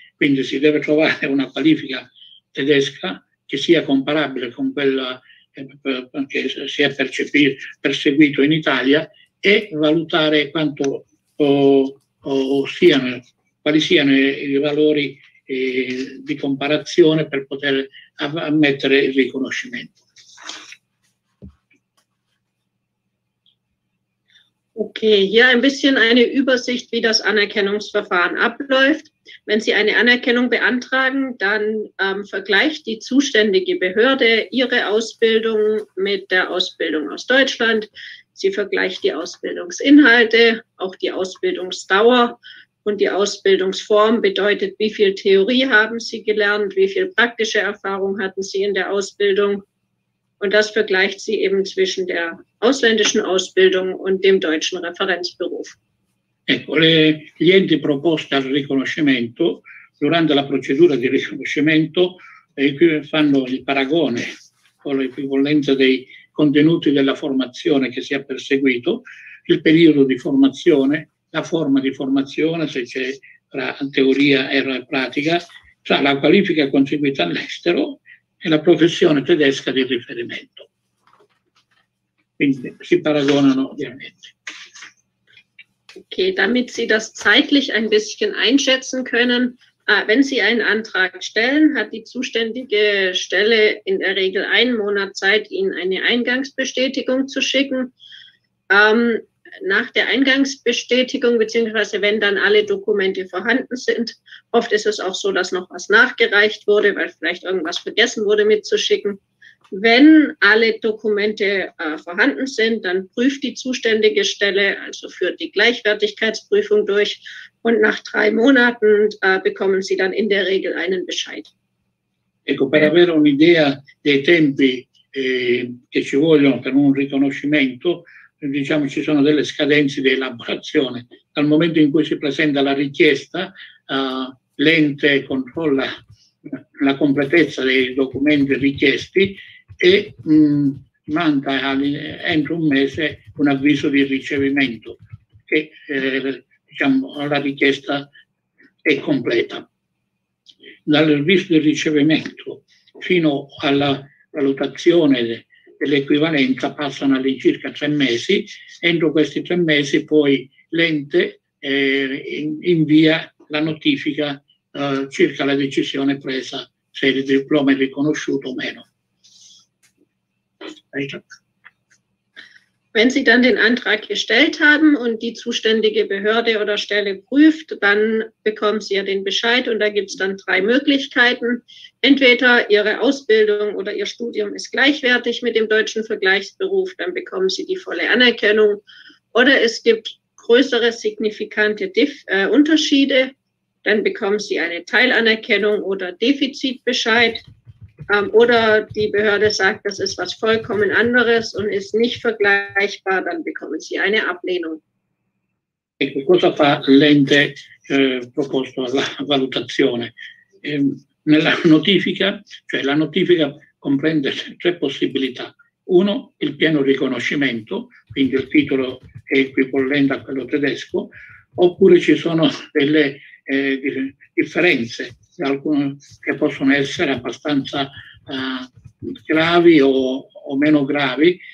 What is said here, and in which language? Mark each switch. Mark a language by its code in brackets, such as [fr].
[it] Quindi si deve trovare una qualifica tedesca che sia comparabile con quella che si è perseguito in Italia e valutare quanto quali siano i valori di comparazione per poter ammettere il riconoscimento. [de] Okay, hier ein bisschen eine Übersicht, wie das Anerkennungsverfahren abläuft. Wenn Sie eine Anerkennung beantragen, dann vergleicht die zuständige Behörde Ihre Ausbildung mit der Ausbildung aus Deutschland. Sie vergleicht die Ausbildungsinhalte, auch die Ausbildungsdauer und die Ausbildungsform, bedeutet, wie viel Theorie haben Sie gelernt, wie viel praktische Erfahrung hatten Sie in der Ausbildung. Und das vergleicht sie eben zwischen der ausländischen Ausbildung und dem deutschen Referenzberuf. Ecco, gli enti proposti al riconoscimento, durante la procedura di riconoscimento, fanno il paragone con l'equivalenza dei contenuti della formazione che si è perseguito, il periodo di formazione, la forma di formazione, se c'è tra teoria e pratica, tra la qualifica conseguita all'estero e la professione tedesca di riferimento. Quindi si paragonano ovviamente. Ok, damit Sie das zeitlich ein bisschen einschätzen können, wenn Sie einen Antrag stellen, hat die zuständige Stelle in der Regel einen Monat Zeit, Ihnen eine Eingangsbestätigung zu schicken. Nach der Eingangsbestätigung, beziehungsweise wenn dann alle Dokumente vorhanden sind, oft ist es auch so, dass noch was nachgereicht wurde, weil vielleicht irgendwas vergessen wurde mitzuschicken. Wenn alle Dokumente vorhanden sind, dann prüft die zuständige Stelle, also führt die Gleichwertigkeitsprüfung durch, und nach 3 Monaten bekommen Sie dann in der Regel einen Bescheid. [it] Ecco, per avere un'idea dei tempi che ci vogliono per un riconoscimento, diciamo ci sono delle scadenze di elaborazione. Dal momento in cui si presenta la richiesta, l'ente controlla la completezza dei documenti richiesti e manda entro un mese un avviso di ricevimento. La richiesta è completa. Dall'avviso di ricevimento fino alla valutazione dell'equivalenza passano all'incirca 3 mesi. Entro questi 3 mesi poi l'ente invia la notifica circa la decisione presa, se il diploma è riconosciuto o meno. [de] Wenn Sie dann den Antrag gestellt haben und die zuständige Behörde oder Stelle prüft, dann bekommen Sie ja den Bescheid und da gibt es dann 3 Möglichkeiten. Entweder Ihre Ausbildung oder Ihr Studium ist gleichwertig mit dem deutschen Vergleichsberuf, dann bekommen Sie die volle Anerkennung. Oder es gibt größere signifikante Unterschiede, dann bekommen Sie eine Teilanerkennung oder Defizitbescheid. Oder die Behörde sagt, das ist was vollkommen anderes und ist nicht vergleichbar, dann bekommen Sie eine Ablehnung. [it] Ecco, cosa fa l'ente proposto alla valutazione? Nella notifica, cioè la notifica comprende tre possibilità. Uno, il pieno riconoscimento, quindi il titolo è equipollente a quello tedesco, oppure ci sono delle differenze alcune, che possono essere abbastanza gravi o meno gravi.